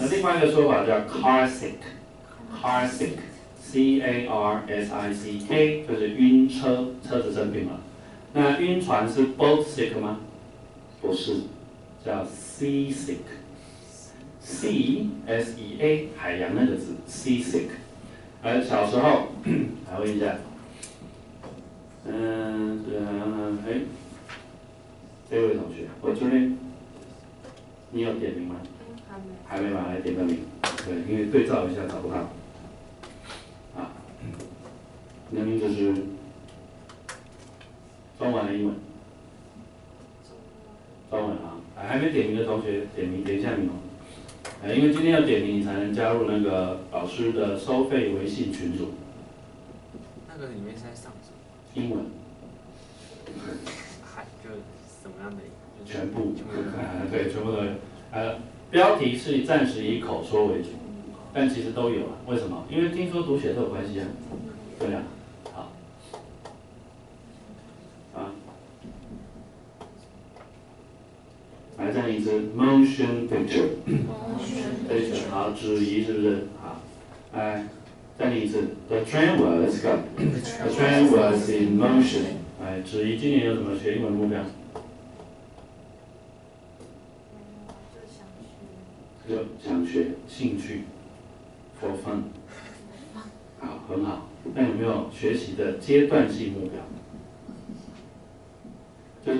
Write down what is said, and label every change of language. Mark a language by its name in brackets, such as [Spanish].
[Chinese] 那另外一个说法叫 car sick， C A R S I C K， 就是晕车，车子生病了。那晕船是 boat sick 吗？不是，叫 sea sick， C S E A 海洋那个字 ，sea sick。哎，小时候，来问一下，哎，这位同学，我这边，你有点名吗？还没吧，来点个名，对，因为对照一下找不到，啊，你的名字是中文还是英文？中文啊，还没点名的同学点名，点一下名哦。因为今天要点名，你才能加入那个老师的收费微信群组。那个里面是在上什么？英文。嗨，就什么样的？就是、全部。对，全部都有。标题是暂时以口说为主，但其实都有啊。为什么？因为听说读写都有关系啊。对啊。来这样一次 motion picture， 好，质疑是不是？好，来，再念一次 [English] the train was in motion。 [Chinese] 来，质疑今年有什么学英文目标？就想学兴趣 [English] for fun。 [Chinese] 好，很好。那有没有学习的阶段性目标？